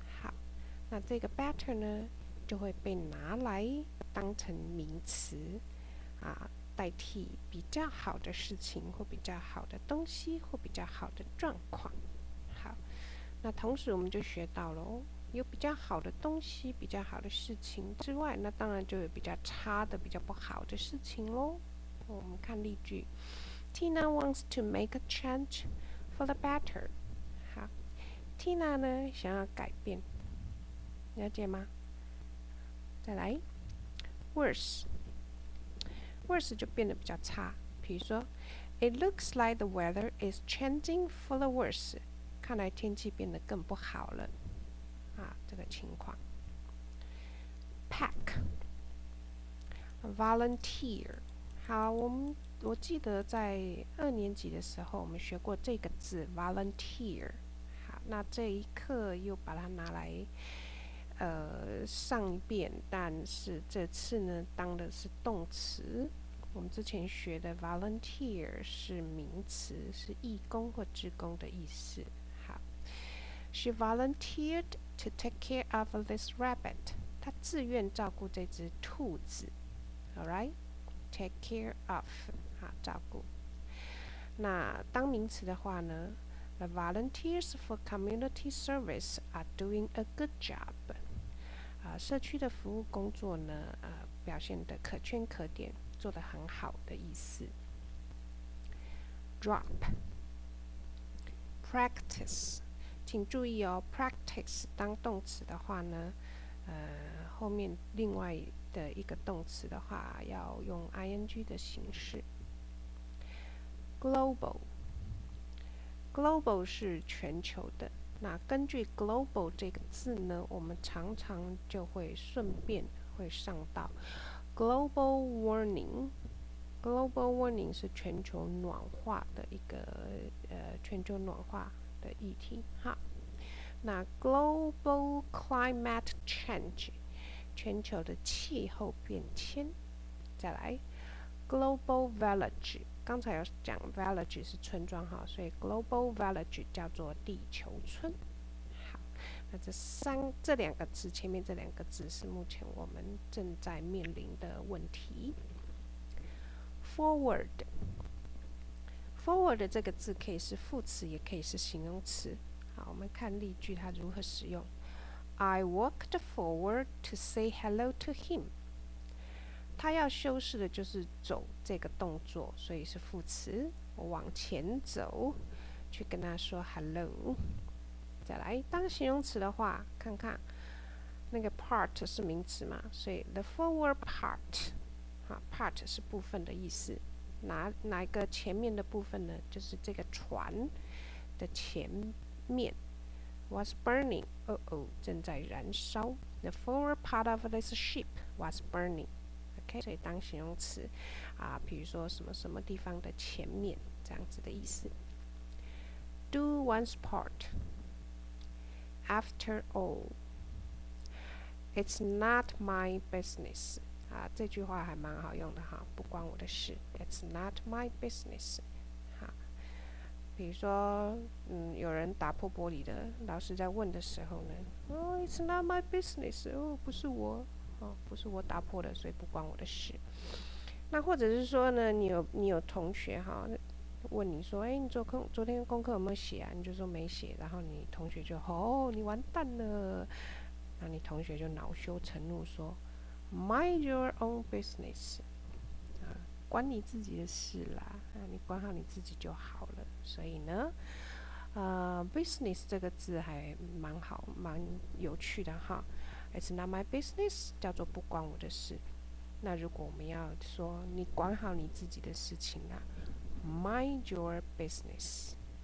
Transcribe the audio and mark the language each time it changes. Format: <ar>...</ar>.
<zh>好，那这个 batter 呢就会被拿来当成名词代替比较好的事情或比较好的东西或比较好的状况。好，那同时我们就学到了，有比较好的东西比较好的事情之外，那当然就有比较差的比较不好的事情咯。</zh> <en>我们看例句， Tina wants to make a changeFor the better，</en> <zh>好 ，Tina 呢想要改变，了解吗？再来 ，worse 就变得比较差。比如说</zh> <en>，It looks like the weather is changing for the worse，</en> <zh>看来天气变得更不好了，这个情况。 Pack，volunteer， 好，我记得在二年级的时候我们学过这个字 volunteer。好，那这一课又把它拿来上一遍，但是这次呢当的是动词。我们之前学的 volunteer 是名词，是义工或志工的意思。</zh> <en>好， She volunteered to take care of this rabbit，</en> <zh>她自愿照顾这只兔子。</zh> <en>Alright， take care of照顾。</en> <zh>那当名词的话呢，</zh> <en>The volunteers for community service are doing a good job，</en> <zh>社区的服务工作呢表现得可圈可点，做得很好的意思。</zh> <en>Drop， Practice，</en> <zh>请注意哦， Practice 当动词的话呢后面另外的一个动词的话要用 ing 的形式。 Global 是全球的。那根据 global 这个字呢，我们常常就会顺便会上到 global warming。 global warming 是全球暖化的一个全球暖化的议题。好，那 global climate change， 全球的气候变迁。再来 global village。刚才有讲 village 是村庄，所以 global village 叫做地球村。好，那这三这两个字前面这两个字是目前我们正在面临的问题。 Forward 这个字可以是副词也可以是形容词。好，我们看例句它如何使用。</zh> <en>I walked forward to say hello to him.</en> <zh>他要修饰的就是走这个动作，所以是副词。我往前走，去跟他说 hello。再来，当形容词的话，看看那个 part 是名词嘛，所以 the forward part， 啊 ，part 是部分的意思。哪一个前面的部分呢？就是这个船的前面。</zh> <en>Was burning，</en> <zh>正在燃烧。</zh> <en>The forward part of this ship was burning。</en> <zh>OK， 所以当形容词啊，比如说什么什么地方的前面这样子的意思。</zh> <en>Do one's part。 After all, it's not my business.</en> <zh>啊，这句话还蛮好用的哈，不关我的事。</zh> <en>It's not my business.</en> <zh>哈，比如说，有人打破玻璃的，老师在问的时候呢，</zh> <en>it's not my business.</en> <zh>不是我，不是我打破的，所以不关我的事。那或者是说呢，你有同学哈。问你说，你昨天功课有没有写啊？你就说没写，然后你同学就，你完蛋了。那你同学就恼羞成怒说 ，</zh> <en>Mind your own business，</en> <zh>啊，关你自己的事啦，啊，你管好你自己就好了。所以呢，business 这个字还蛮好，蛮有趣的哈。</zh> <en>It's not my business，</en> <zh>叫做不关我的事。那如果我们要说，你管好你自己的事情啦。</zh> <en>Mind your business.</en>